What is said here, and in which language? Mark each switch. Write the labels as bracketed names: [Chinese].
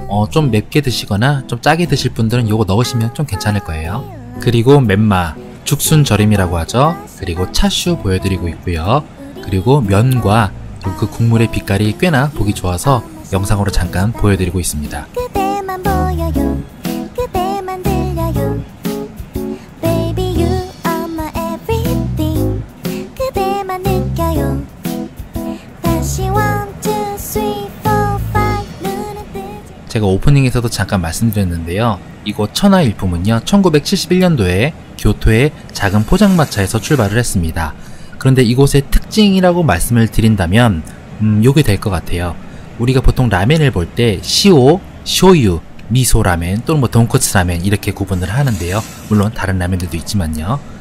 [Korean] 좀 맵게 드시거나 좀 짜게 드실 분들은 요거 넣으시면 좀 괜찮을 거예요. 그리고 맵마, 죽순절임이라고 하죠? 그리고 차슈 보여드리고 있고요. 그리고 면과 그 국물의 빛깔이 꽤나 보기 좋아서 영상으로 잠깐 보여드리고 있습니다. 그대만 보여요, 그대만 들려요. [English] Baby, you are my everything. [Korean] 그대만 느껴요. [English] 다시 one, two, three, four, five. [Korean] 눈을 뜨지. 제가 오프닝에서도 잠깐 말씀드렸는데요, 이곳 천하일품은요, 1971년도에 교토의 작은 포장마차에서 출발을 했습니다. 그런데 이곳의 특징이라고 말씀을 드린다면 요게 될 것 같아요. 우리가 보통 라멘을 볼 때 시오, 쇼유, 미소 라멘 또는 뭐 돈코츠 라멘 이렇게 구분을 하는데요, 물론 다른 라멘들도 있지만요.